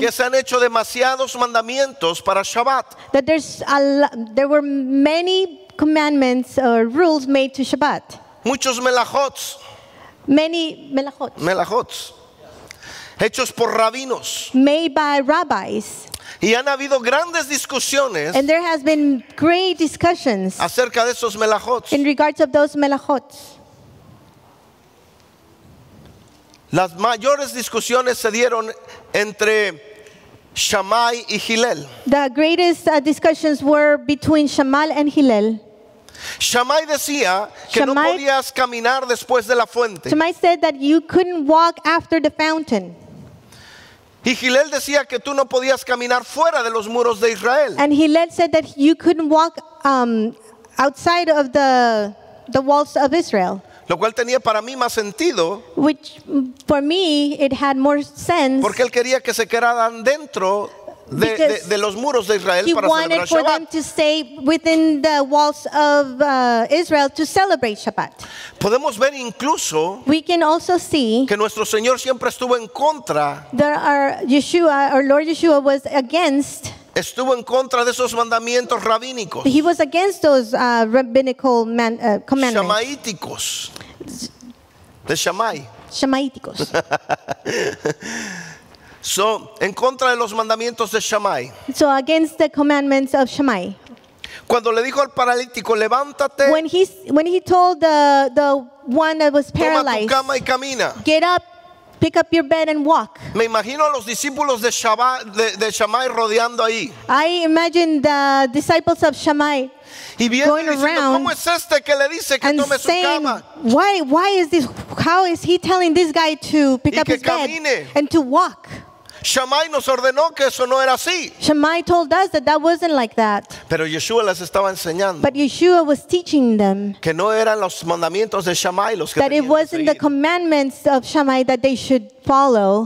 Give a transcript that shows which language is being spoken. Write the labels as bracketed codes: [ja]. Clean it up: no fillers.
[es] que se han hecho demasiados mandamientos para Shabbat. [en] That there's a there were many commandments or rules made to Shabbat. [es] Muchos melajot. [en] Many melajot. [es] Melajot. Hechos por rabinos. [en] Made by rabbis. [es] Y han habido grandes discusiones. [en] And there has been great discussions. [es] Acerca de esos melajot. [en] In regards of those melajot. [es] Las mayores discusiones se dieron entre Shammai y Hillel. [en] The greatest discussions were between Shammai and Hillel. [es] Shammai decía que Shammai, no podías caminar después de la fuente. [en] Shammai said that you couldn't walk after the fountain. [es] Y Hillel decía que tú no podías caminar fuera de los muros de Israel. [en] And Hillel said that you couldn't walk outside of the walls of Israel. [es] Lo cual tenía para mí más sentido. [en] Which, for me, it had more sense. [es] Porque él quería que se quedaran dentro de los muros de Israel [en] he [es] para [en] wanted [es] celebrar [en] for [es] Shabbat. [en] Them to stay within the walls of Israel to celebrate Shabbat. [es] Podemos ver incluso [en] we can also see [es] que nuestro Señor siempre estuvo en contra [en] that our Lord Yeshua was against [es] estuvo en contra de esos mandamientos rabínicos. [en] He was against those rabbinical commandments. [es] Shamaíticos. De Shamay. Shamaíticos. So, en contra de los mandamientos de Shamay. [en] So, against the commandments of Shamay. [es] Cuando le dijo al paralítico, levántate. [en] When he told the one that was paralyzed. [es] Toma tu cama y camina. [en] Get up. Pick up your bed and walk. [es] Me imagino a los discípulos de Shabbat, de Shamay rodeando ahí. [en] I imagine the disciples of Shamay [es] y [en] going [es] diciendo, [en] around [es] ¿cómo es este que le dice que [en] and [es] tome [en] saying, [es] su cama? [en] Why is this, how is he telling this guy to pick [es] y [en] up his [es] camine. [en] Bed and to walk? [es] Shamay nos ordenó que eso no era así. [en] Shamay told us that that wasn't like that. [es] Pero Yeshua les estaba enseñando. [en] But Yeshua was teaching them. [es] Que no eran los mandamientos de Shamay los que [en] that it wasn't [es] seguir. [en] The commandments of Shamay that they should follow.